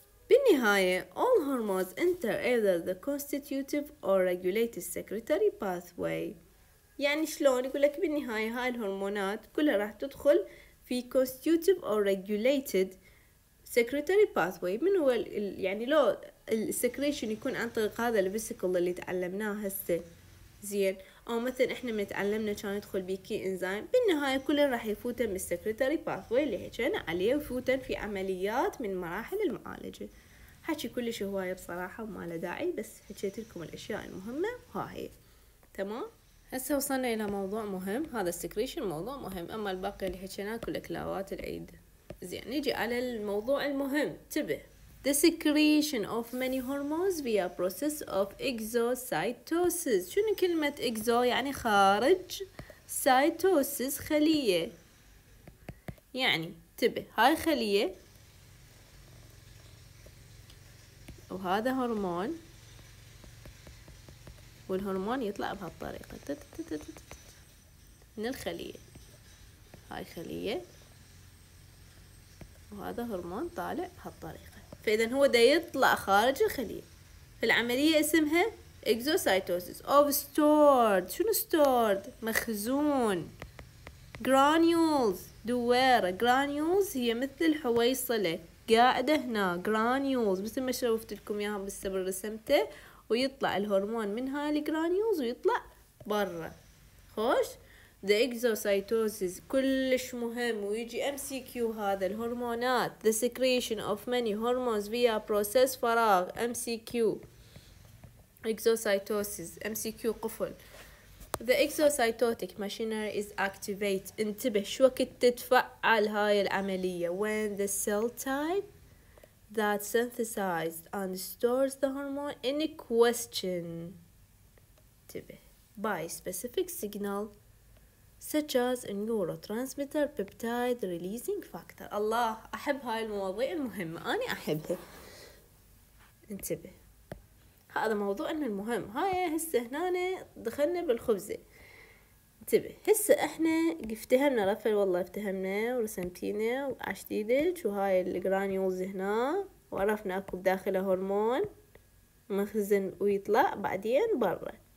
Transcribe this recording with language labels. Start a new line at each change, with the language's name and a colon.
Arabic: بالنهاية
English: all hormones enter either the constitutive or regulated secretory pathway.
Arabic: يعني شلون؟ يقول لك بالنهاية هاي الهرمونات كلها راح تدخل في
English: constitutive or regulated secretory pathway.
Arabic: من هو يعني لو السكريشن يكون عن طريق هذا الفيسيكل اللي تعلمناه هسه، زين، او مثلا احنا ما تعلمنا كان يدخل بيكي انزيم، بالنهاية كلها راح يفوتن من السكريتوري pathway اللي حكينا عليه، ويفوتن في عمليات من مراحل المعالجة. حكي كلش هواية بصراحة وما له داعي، بس حكيت لكم الاشياء المهمة وهاي تمام. هسه وصلنا الى موضوع مهم، هذا السكريشن موضوع مهم، اما الباقي اللي حكيناه كله كلاوات العيد. زين نجي على الموضوع المهم، تبه.
English: The secretion of many hormones via process of exocytosis.
Arabic: شنو كلمة exo؟ يعني خارج. cytosis خلية، يعني تبه هاي خلية وهذا هرمون، والهرمون يطلع بهالطريقة من الخلية، هاي خلية وهذا هرمون طالع بهالطريقة. فإذا هو دا يطلع خارج الخلية، فالعملية اسمها
English: exocytosis of stored.
Arabic: شنو stored؟ مخزون. granules دوارة، granules هي مثل حويصلة قاعدة هنا، granules مثل ما شوفت لكم ياها بالسبر رسمته، ويطلع الهرمون من هاي الجرانيولز ويطلع برا. خوش.
English: the exocytosis
Arabic: كلش مهم، ويجي
English: MCQ
Arabic: هذا الهرمونات
English: the secretion of many hormones via process
Arabic: فراغ
English: MCQ exocytosis MCQ
Arabic: قفل.
English: The exocytotic machinery is activate.
Arabic: انتبه شو وقت تتفعل هاي العملية.
English: When the cell type that synthesized and stores the hormone in question.
Arabic: انتبه.
English: By specific signal such as a neurotransmitter peptide releasing factor.
Arabic: الله أحب هاي المواضيع المهمة. أنا أحبها. انتبه. هذا موضوع إنه المهم. هاي هسه هنا دخلنا بالخبزة. انتبه هسه احنا افتهمنا رفل، والله افتهمنا ورسمتينا وعشديدج، وهاي الجرانيولز هنا، وعرفنا اكو بداخله هرمون مخزن ويطلع بعدين برا.